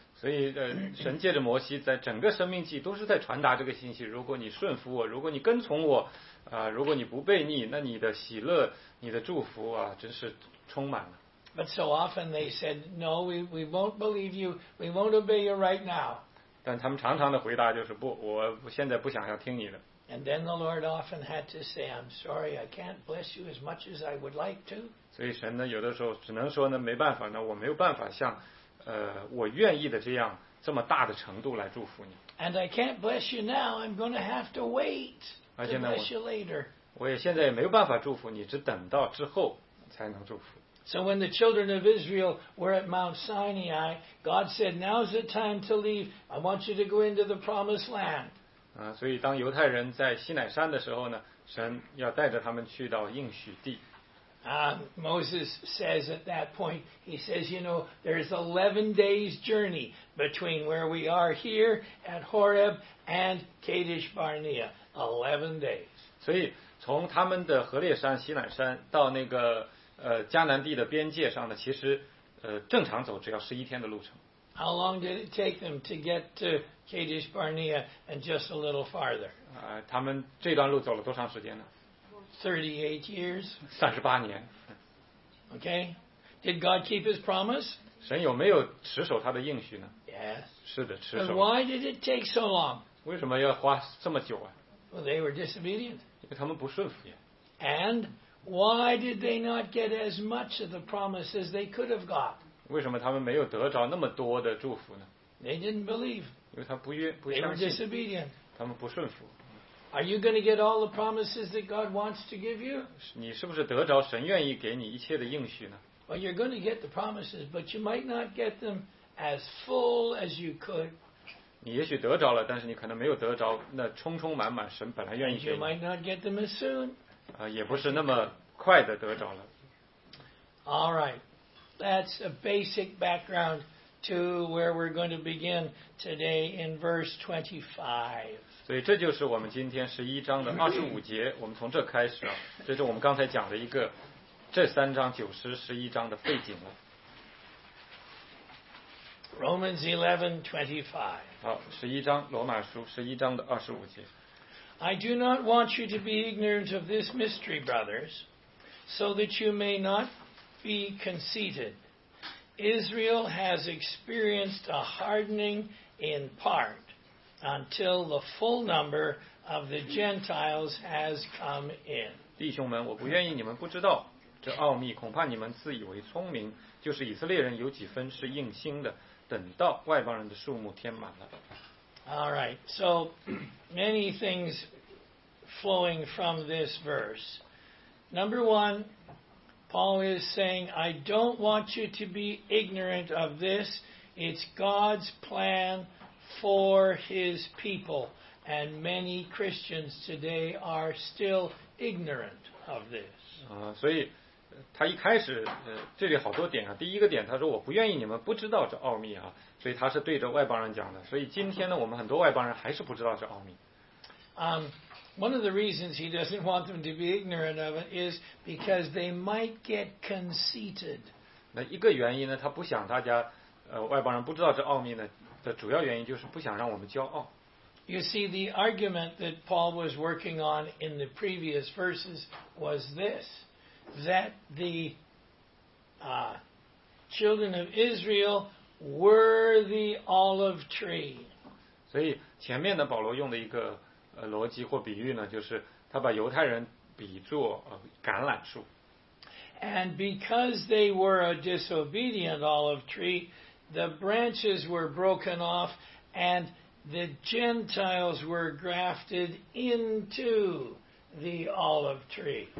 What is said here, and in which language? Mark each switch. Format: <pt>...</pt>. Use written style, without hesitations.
<zh>所以，神借着摩西在整个生命记都是在传达这个信息：如果你顺服我，如果你跟从我，如果你不悖逆，那你的喜乐、你的祝福啊，真是充满了。</zh> <en>But so often they said, "No, we won't believe you. We won't obey you right now."</en> <zh>但他们常常的回答就是不，我现在不想要听你的。</zh> <en>And then the Lord often had to say, I'm sorry, I can't bless you as much as I would like to.</en> <zh>所以神呢，有的时候只能说呢，没办法呢，我没有办法像我愿意的这样这么大的程度来祝福你。</zh> <en>And I can't bless you now, I'm going to have to wait to bless you later.</en> <zh>我也现在也没有办法祝福你，只等到之后才能祝福。</zh> <en>So when the children of Israel were at Mount Sinai, God said, now's the time to leave, I want you to go into the promised land.</en> <zh>所以当犹太人在西乃山的时候呢，神要带着他们去到应许地。</zh> <en>Moses says at that point, he says, you know, there's 11 days journey between where we are here at Horeb and Kadesh Barnea. 11 days.</en> <zh>所以从他们的何烈山西乃山到那个迦南地的边界上呢，其实正常走只要11天的路程。</zh> <en>How long did it take them to get to Kadesh Barnea and just a little farther?</en> <zh>他们这段路走了多长时间呢？</zh> <en>38 years.</en> <zh>38年。</zh> <en>Okay. Did God keep his promise?</en> <zh>神有没有持守他的应许呢？</zh> <en>Yes.</en> <zh>是的，持守。</zh> <en>But why did it take so long?</en> <zh>为什么要花这么久啊？</zh> <en>Well, they were disobedient.</en> <zh>因为他们不顺服呀。</zh> <en>And why did they not get as much of the promise as they could have got?</en> <zh>为什么他们没有得着那么多的祝福呢？</zh> <en>They didn't believe.</en> <zh>因为他不愿不相信。</zh> <en>They were disobedient.</en> <zh>他们不顺服。</zh> <en>Are you going to get all the promises that God wants to give you?</en> <zh>你是不是得着神愿意给你一切的应许呢？</zh> <en>Well, you're going to get the promises, but you might not get them as full as you could.</en> <zh>你也许得着了，但是你可能没有得着那充充满满神本来愿意给你。</zh> <en>You might not get them as soon.</en> <zh>也不是那么快的得着了。</zh> <en>All right. That's a basic background to where we're going to begin today in verse 25.</en> <zh>所以这就是我们今天11章的25节，我们从这开始啊，这是我们刚才讲的一个这三章九十十一章的背景了。</zh> <en>Romans 11:25.</en> <zh>好，11章罗马书11章的25节。</zh> <en>I do not want you to be ignorant of this mystery, brothers, so that you may not be conceited. Israel has experienced a hardening in part until the full number of the Gentiles has come in.</en> <zh>弟兄们，我不愿意你们不知道这奥秘，恐怕你们自以为聪明，就是以色列人有几分是硬心的，等到外邦人的数目填满了。</zh> <en>All right, so many things flowing from this verse. Number one, Paul is saying, I don't want you to be ignorant of this. It's God's plan for his people. And many Christians today are still ignorant of this.</en> <zh>所以他一开始这里好多点啊，第一个点他说我不愿意你们不知道这奥秘啊，所以他是对着外邦人讲的，所以今天呢我们很多外邦人还是不知道这奥秘。</zh> <en>One of the reasons he doesn't want them to be ignorant of it is because they might get conceited.</en> <zh>那一个原因呢，他不想大家外邦人不知道这奥秘呢的主要原因就是不想让我们骄傲。</zh> <en>You see, the argument that Paul was working on in the previous verses was this, that the children of Israel were the olive tree.</en> <zh>所以前面的保罗用的一个逻辑或比喻呢，就是他把犹太人比作橄榄树。</zh> <en>And because they were a disobedient olive tree, the branches were broken off and the Gentiles were grafted into the olive tree.</en>